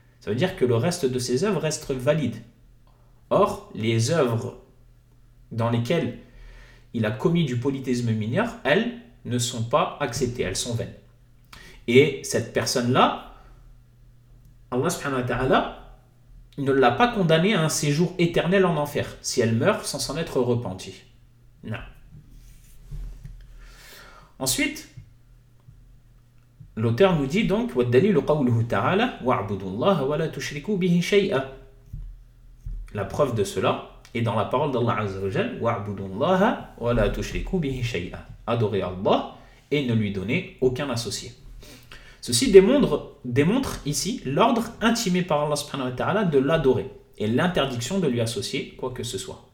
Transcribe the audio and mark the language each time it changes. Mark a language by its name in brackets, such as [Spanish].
[French] Ça veut dire que le reste de ses œuvres reste valide. Or, les œuvres dans lesquelles il a commis du polythéisme mineur, elles ne sont pas acceptées, elles sont vaines. Et cette personne-là, Allah subhanahu wa ta'ala, ne l'a pas condamnée à un séjour éternel en enfer, si elle meurt sans s'en être repentie. Non. Ensuite, l'auteur nous dit donc, [Arabic] وَالدَّلِيلُ قَوْلُهُ تَعَالَى وَاعْبُدُوا اللَّهَ وَلَا تُشْرِكُوا بِهِ شَيْئًا. [French] La preuve de cela est dans la parole d'Allah Azza wa Jal, [Arabic] وَاعْبُدُوا اللَّهَ وَلَا تُشْرِكُوا بِهِ شَيْئًا. [French] Adorer Allah et ne lui donner aucun associé. Ceci démontre ici l'ordre intimé par Allah subhanahu wa ta'ala de l'adorer et l'interdiction de lui associer quoi que ce soit.